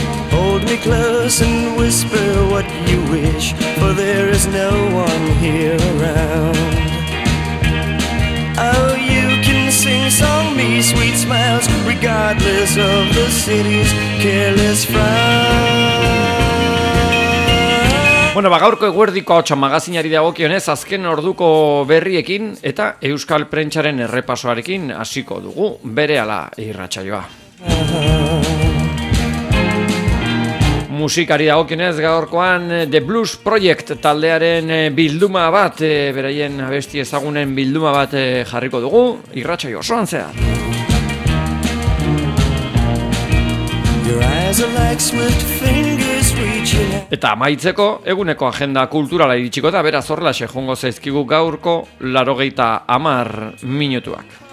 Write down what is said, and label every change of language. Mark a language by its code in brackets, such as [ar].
[en] Hold me close and whisper what you wish, for there is no one here around. Oh, you can sing song me sweet smiles, regardless of the city's careless frown. [eu] Bueno, gaurko eguerdiko ahotsa magazinari dagokionez azken orduko berriekin eta euskal prentsaren errepasoarekin hasiko dugu berehala irratsaioa. Musikari dagokionez gaurkoan The Blues Project taldearen bilduma bat, beraien abesti ezagunen bilduma bat jarriko dugu irratsaio osoan zehar. [en] Your eyes are like swift fingers reaching out. [eu] Eta amaitzeko, eguneko agenda kulturala iritsiko da, beraz horrelaxe joango zaizkigu gaurko 80 minutuak.